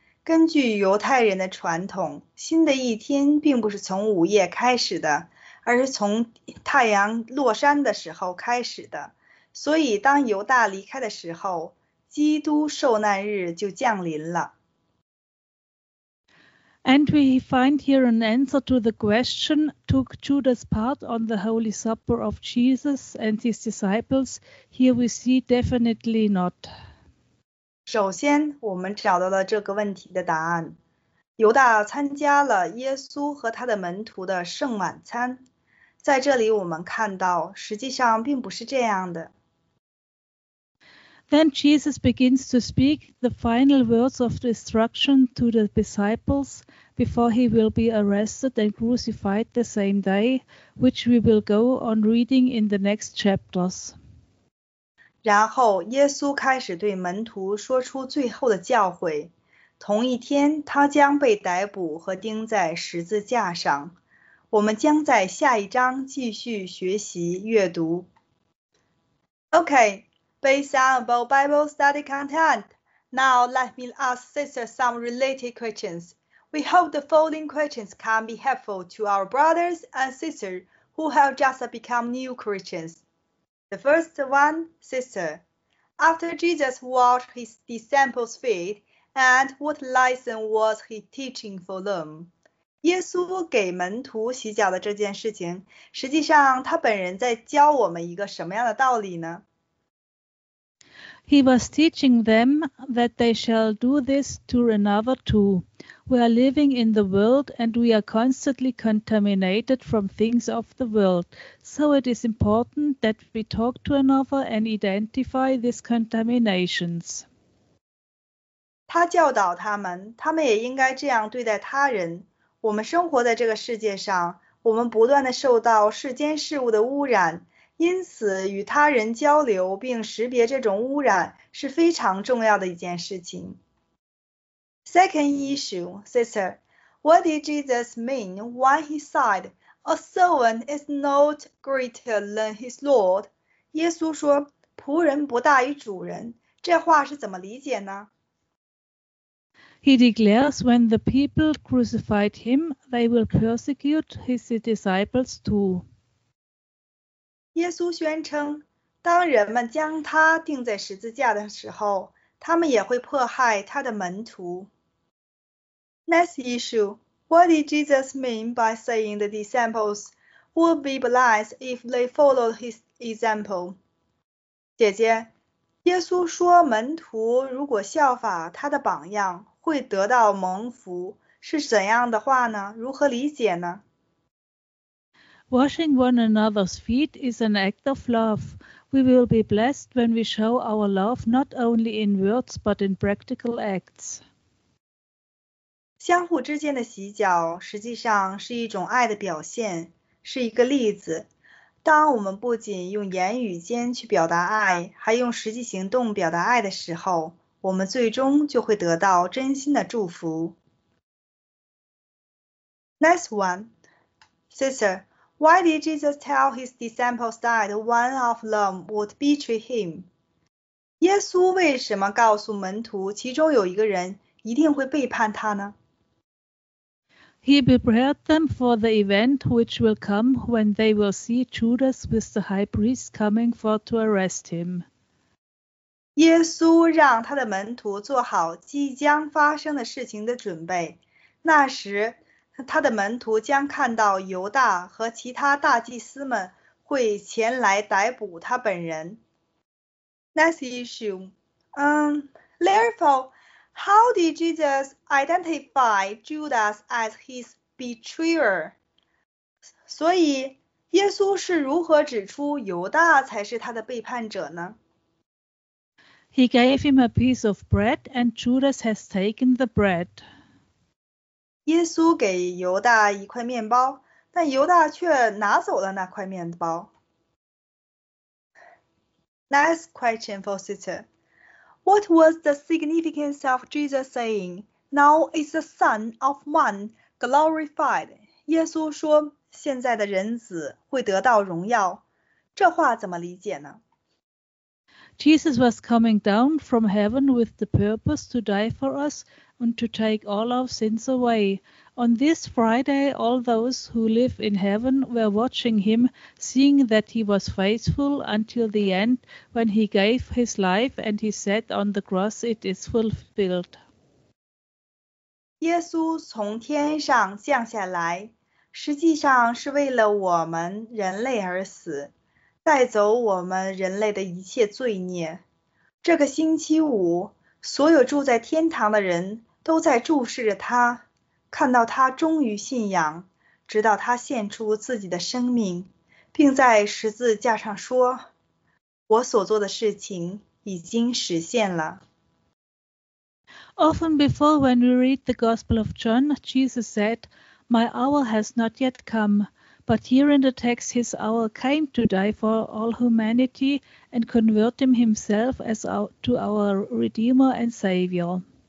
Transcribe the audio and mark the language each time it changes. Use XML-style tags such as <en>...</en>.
<zh>根据犹太人的传统，新的一天并不是从午夜开始的，而是从太阳落山的时候开始的。所以，当犹大离开的时候，基督受难日就降临了。</zh> <en>And we find here an answer to the question, took Judas part on the Holy Supper of Jesus and his disciples? Here we see definitely not.</en> <zh>首先，我们找到了这个问题的答案。犹大参加了耶稣和他的门徒的圣晚餐。在这里我们看到，实际上并不是这样的。</zh> <en>Then Jesus begins to speak the final words of instruction to the disciples before he will be arrested and crucified the same day, which we will go on reading in the next chapters.</en> <zh>然后耶稣开始对门徒说出最后的教诲。同一天，他将被逮捕和钉在十字架上。我们将在下一章继续学习阅读。</zh> <en>Okay. Based on our Bible study content, now let me ask sister some related questions. We hope the following questions can be helpful to our brothers and sisters who have just become new Christians. The first one, sister, after Jesus washed his disciples' feet, and what lesson was he teaching for them?</en> <zh>耶稣给门徒洗脚的这件事情，实际上他本人在教我们一个什么样的道理呢？</zh> <en>He was teaching them that they shall do this to another too. We are living in the world and we are constantly contaminated from things of the world. So it is important that we talk to another and identify these contaminations.</en> <zh>他教导他们，他们也应该这样对待他人。我们生活在这个世界上，我们不断地受到世间事物的污染。因此，与他人交流并识别这种污染是非常重要的一件事情。</zh> <en>Second issue, sister, what did Jesus mean when he said, "A servant is not greater than his Lord"?</en> <zh>耶稣说，仆人不大于主人，这话是怎么理解呢？</zh> <en>He declares when the people crucified him, they will persecute his disciples too.</en> <zh>耶稣宣称，当人们将他钉在十字架的时候，他们也会迫害他的门徒。</zh> <en>Next issue, what did Jesus mean by saying the disciples would be blessed if they followed his example?</en> <zh>姐姐，耶稣说门徒如果效法他的榜样，会得到蒙福，是怎样的话呢？如何理解呢？</zh> <en>Washing one another's feet is an act of love. We will be blessed when we show our love not only in words but in practical acts.</en> <zh>相互之间的洗脚实际上是一种爱的表现，是一个例子。当我们不仅用言语间去表达爱，还用实际行动表达爱的时候，我们最终就会得到真心的祝福。</zh> <en>Next one, sister. Why did Jesus tell his disciples that one of them would betray him?</en> <zh>耶稣为什么告诉门徒其中有一个人一定会背叛他呢？</zh> <en>He prepared them for the event which will come when they will see Judas with the high priest coming for to arrest him.</en> <zh>耶稣让他的门徒做好即将发生的事情的准备，那时他的门徒将看到犹大和其他大祭司们会前来逮捕他本人。</zh> <en>Next issue. Therefore, How did Jesus identify Judas as his betrayer?</en> <zh>所以耶稣是如何指出犹大才是他的背叛者呢？</zh> <en>He gave him a piece of bread and Judas has taken the bread.</en> <zh>耶稣给犹大一块面包，但犹大却拿走了那块面包。</zh> <en>Next question for sister. What was the significance of Jesus saying, Now is the Son of Man glorified?</en> <zh>耶稣说现在的人子会得到荣耀，这话怎么理解呢？</zh> <en>Jesus was coming down from heaven with the purpose to die for us and to take all our sins away. On this Friday, all those who live in heaven were watching him, seeing that he was faithful until the end when he gave his life and he said on the cross, it is fulfilled.</en> <zh>耶稣从天上降下来实际上是为了我们人类而死，带走我们人类的一切罪孽。这个星期五，所有住在天堂的人都在注视着他，看到他忠于信仰，直到他献出自己的生命，并在十字架上说：“我所做的事情已经实现了。”</zh> <en>Often before, when we read the Gospel of John, Jesus said,My hour has not yet come, but here in the text his hour came to die for all humanity and convert him himself as to our Redeemer and Savior.</en>